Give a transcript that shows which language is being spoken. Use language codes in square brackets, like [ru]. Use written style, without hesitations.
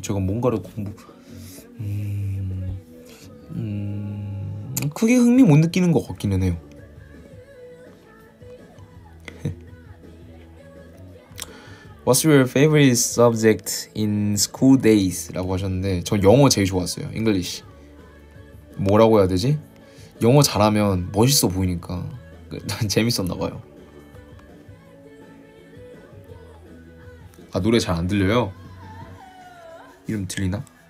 [ko] 제가 뭔가를 공부 크게 흥미 못 느끼는 것 같기는 해요. [en] 'What's your favorite subject in school days?' [ko] 라고 하셨는데 저 영어 제일 좋았어요. English. 뭐라고 해야 되지? 영어 잘하면 멋있어 보이니까 재밌었나 봐요. 아, 노래 잘안 들려요? 이름 들리나?